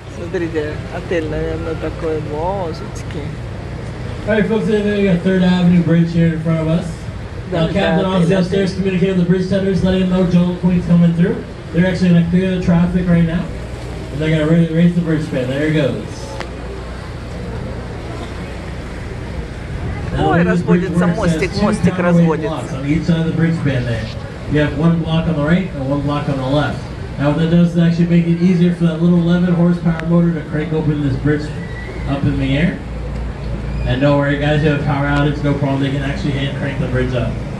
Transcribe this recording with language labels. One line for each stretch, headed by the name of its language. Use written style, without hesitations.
Russian: Смотрите, отель, наверное, такой, мозочки.
English: All right, folks, we've got Third Avenue Bridge here in front of us. Now, Captain Oz upstairs communicating with the bridge tenders, letting them know Joel Queen's coming through. They're actually going to clear the traffic right now. And they're going to raise the bridge span. There it goes.
Russian: Now, ой, разводится мостик, мостик разводится.
English: On each side of the bridge span there. You have one block on the right and one block on the left. Now, what that does is actually make it easier for that little 11 horsepower motor to crank open this bridge up in the air. And don't worry, guys, you have power outage, no problem, they can actually hand crank the bridge up.